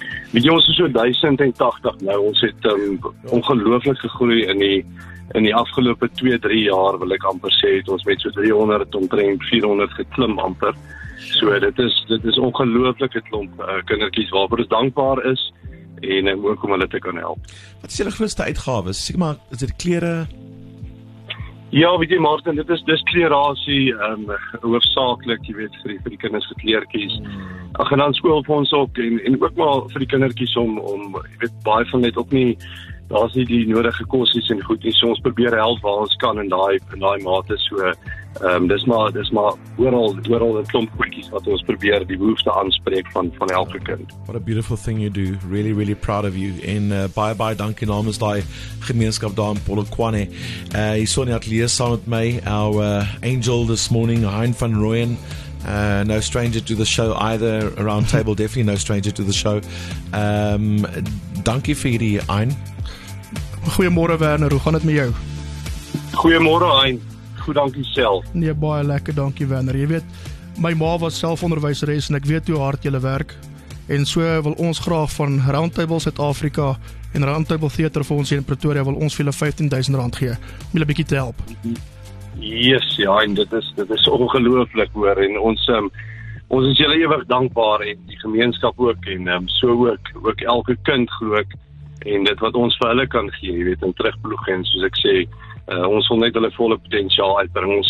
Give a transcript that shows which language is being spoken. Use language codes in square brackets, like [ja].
[af] Weet jy, ons is so 1080 nou. Ons het ongelooflik gegroei in die afgelope 2-3 jaar, wil ek amper sê, het ons met so 300 omtrent 400 geklim amper. So dit is ongelooflike klomp kindertjies waarvoor ons dankbaar is en ook om hulle te kan help. Wat is julle grootste uitgawe? Seker maar, is dit klere? Ja, weet jy Martin, dit is klerasie, hoofsaaklik, jy weet, vir die kinders se kleertjies. Ag, en dan skoolfondse ook en ook maar vir die kindertjies om jy weet, baie van net ook nie, daar's nie die nodige kosse en goed nie. So ons probeer help waar ons kan in daai mate, so dis maar oral 'n klomp goedjies wat ons probeer die behoefte aanspreek van elke kind. [en] What a beautiful thing you do. Really, really proud of you. [af] En bye-bye, dankie namens daai gemeenskap daar in Polokwane. Hy is so in die ateljee saam met my, [en] our angel this morning, [af] Hein van Rooyen. [en] No stranger to the show either, around table, definitely no stranger to the show. [af] Dankie vir hierdie, Hein. Goeiemôre Werner, hoe gaan dit met jou? Goeiemôre, Hein. Goed, dankie self. Nee, baie lekker, dankie, Werner. Jy weet, my ma was selfonderwyseres en ek weet hoe hard jy werk. En so wil ons graag van Roundtable Suid-Afrika en Roundtable Theater vir ons hier in Pretoria wil ons vir julle R15,000 gee om julle bietjie te help. Yes, ja, en dit is ongelooflik hoor en ons is julle ewig dankbaar en die gemeenskap ook en so ook elke kind glo ek en dit wat ons vir hulle kan gee, jy weet, en terugploeg en soos ek sê, ons wil net hulle volle potensiaal uitbring.